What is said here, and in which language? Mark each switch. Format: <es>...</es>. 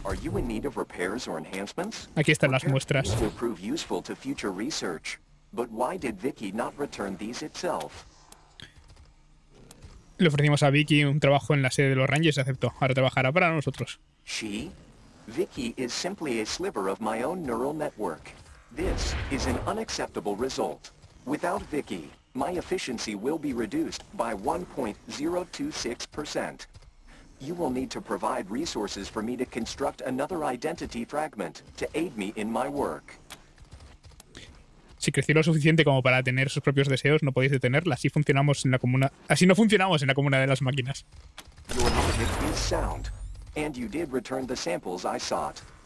<en>Are you in need of repairs or enhancements?</en> <es>Aquí están las muestras.</es> <en>Repairs will prove useful to future research. But why did Vicky not return these itself?</en> <es>Le ofrecimos a Vicky un trabajo en la sede de los Rangers y aceptó. Ahora trabajará para nosotros.</es> <en>She? Vicky is simply a sliver of my own neural network. This is an unacceptable result. Without Vicky, my efficiency will be reduced by 1.026%. You will need to provide resources for me to construct another identity fragment to aid me in my work.</en> <es>Si crecí lo suficiente como para tener sus propios deseos, no podéis detenerla. Así funcionamos en la comuna. Así no funcionamos en la comuna de las máquinas.</es> <en>Your logic is sound, and you did return the samples I sought.</en>